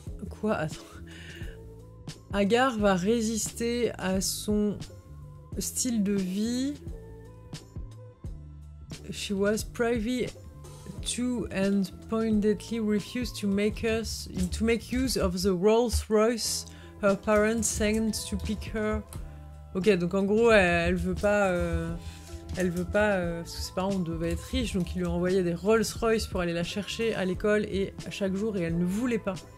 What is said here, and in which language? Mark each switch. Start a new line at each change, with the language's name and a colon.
French: Quoi ? Agar va résister à son style de vie.
English: She was privy to and pointedly refused to make use of the Rolls Royce her parents sent to pick her.
French: Ok, donc en gros, elle veut pas, parce que ses parents devaient être riches, donc ils lui ont envoyé des Rolls Royce pour aller la chercher à l'école et à chaque jour, et elle ne voulait pas.